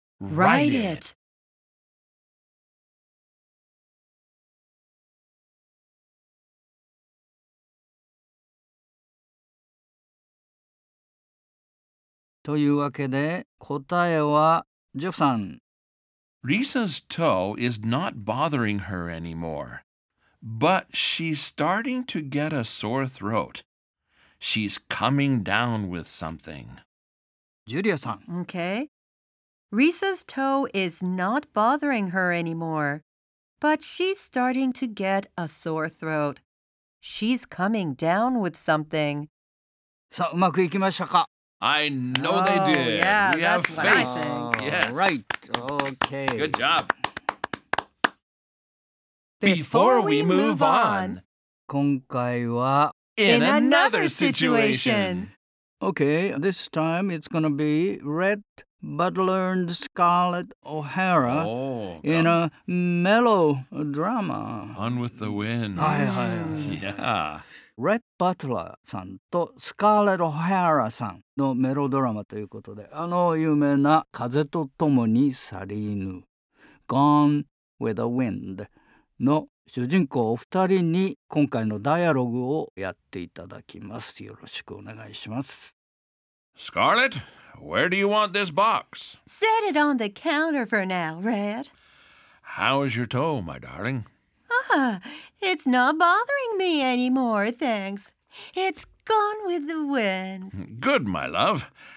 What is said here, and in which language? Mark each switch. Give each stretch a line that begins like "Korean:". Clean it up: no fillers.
English: Write it!
Japanese: というわけで、答えは、ジェフさん。
English: Lisa's toe is not bothering her anymore. But she's starting to get a sore throat. She's coming down with something. ジュリアさん。 Okay. Lisa's toe is not bothering her anymore. But she's starting to get a sore throat. She's coming down with something.
Japanese: さあ、うまくいきましたか?
English: I know they did. Yeah, we that's have faith. What I think. Yes. Right. Okay. Good job. Before we move on,
Japanese: 今回は
English: in another situation. Okay, this time it's going to be Rhett Butler and Scarlett O'Hara in a mellow drama. On with the Wind. Yeah.
Japanese: Rhett Butler さんと Scarlett O'Hara さんのメロドラマということで、あの有名な風と共に去りぬ Gone with the Wind の主人公お二人に今回のダイアログをやっていただきます。よろしくお願いします。
English: Scarlett, where do you want this box? Set it on the counter for now, Red. How is your toe, my darling? Ah, it's not bothering me anymore, thanks. It's gone with the wind. Good, my love.